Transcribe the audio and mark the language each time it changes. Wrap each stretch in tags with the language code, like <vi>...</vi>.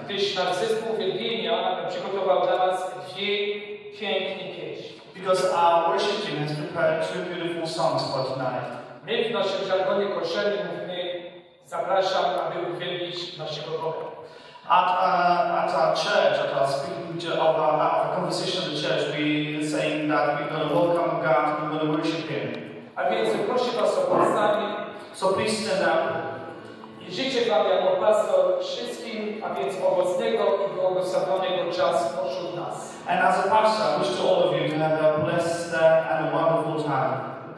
<pl>Gdyż na zespół uwielbienia przygotował dla was dwie piękne pieśni.</pl> <en>Because our worship team has prepared two beautiful songs for tonight.</en> <pl>My w naszym żargonie koszernym mówimy zapraszam, aby uwielbić naszego Boga.</pl> <en>At our church, at our speaking of our conversation of the church, we are saying that we're going to welcome God, we're going to worship Him.</en> <pl>A więc proszę was o powstanie.</pl> <en>So please stand up.</en> <pl>I życzę wam jako pastor wszystkim, a więc owocnego i błogosławionego czasu pośród nas.</pl> <en>And as a pastor, I wish to all of you to have a blessed and a wonderful time.</en>